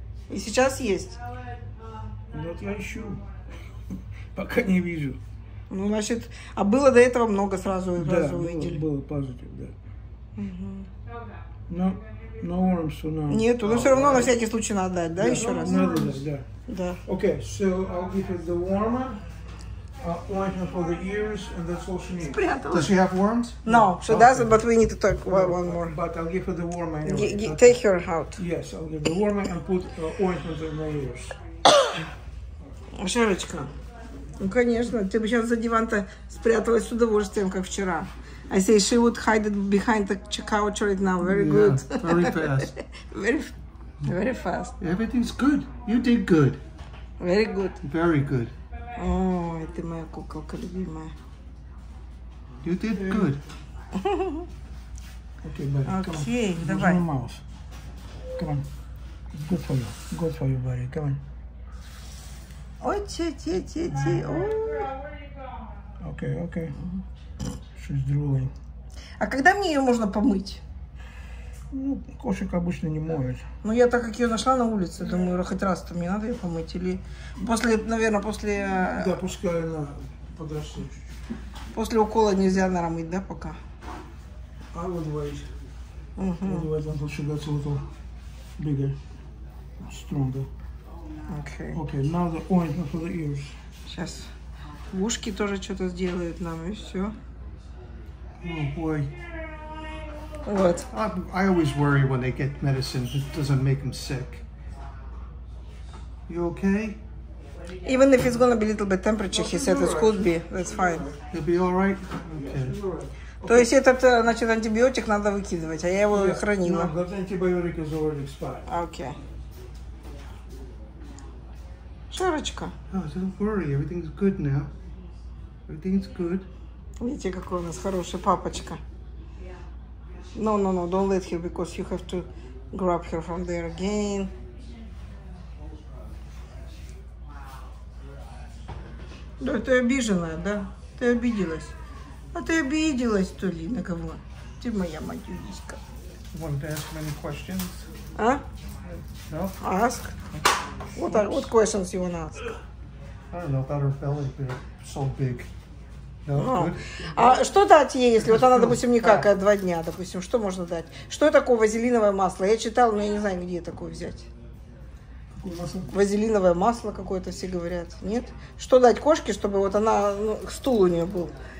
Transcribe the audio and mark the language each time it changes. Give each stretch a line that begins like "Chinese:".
Russian: И сейчас есть? Вот я ищу, пока не вижу. Ну, значит, а было до этого много сразу, да, сразу было, увидели? Да, было, позитив, да. Но,
English: no worms, no.
Russian: Нет, но все равно на всякий случай надо дать, да, еще раз? Надо дать, да. Да.
English: Окей, so I'll give her the warmer, ointment for the ears, and that's all she needs.
Russian: Спрятала.
English: Does she have worms? No, she doesn't, but we need to talk one more. But I'll give her the warmer anyway. Take her out. Yes, I'll give the warmer and put ointment in her ears.
Russian: Шарочка. Ну, конечно, ты бы сейчас за диван-то спряталась с удовольствием, как вчера.
English: I say she would hide it behind the couch right now. Very yeah, good. Very fast. very fast. Everything's good. You did good. Very good. Very good.
Russian: Oh, ты моя куколка любимая.
English: You did good. Okay, buddy. Okay, come on.
Russian: Давай.
English: Mouse. Come on. Good for you. Good for you, buddy. Come on. Ой, ти-ти-ти-ти. Окей, окей. She's drooling.
Russian: А когда мне ее можно помыть? Ну, кошек обычно не моют. Ну, я так как ее нашла на улице, думаю, хоть раз-то мне надо ее помыть. Или после, наверное, после... Да, пускай она подрастет. После укола нельзя, наверное, мыть, да, пока?
English: I would wait. I would wait until she gets a little bigger, stronger. Okay. Okay, now the ointment for the ears.
Russian: Сейчас. Ушки тоже что-то сделают нам, и все.
English: Oh boy. What? I always worry when they get medicine, it doesn't make them sick. You okay? Even if it's gonna be a little bit temperature, he said, it could be, that's fine. It'll be all right? Okay.
Russian: То есть этот, значит, антибиотик надо выкидывать, а я его хранила.
English: No, that antibiotic is already expired. Okay.
Russian: Шарочка.
English: Oh, don't worry, everything's good now. Everything's good.
Russian: Видите, какой у нас хороший папочка.
English: No, no, no, don't let her, because you have to grab her from there again.
Russian: Да, ты обиженная, да? Ты обиделась. А ты обиделась, то ли, на кого? Ты моя матюлиська.
English: Want to ask many questions? А? No? Ask. What questions you want to ask? I don't know about her belly, they're so big. No,
Russian: а что дать ей, если вот она, допустим, никак, а два дня, допустим, что можно дать? Что такое вазелиновое масло? Я читала, но я не знаю, где такое взять. Вазелиновое масло какое-то все говорят, нет? Что дать кошке, чтобы вот она, ну, стул у нее был?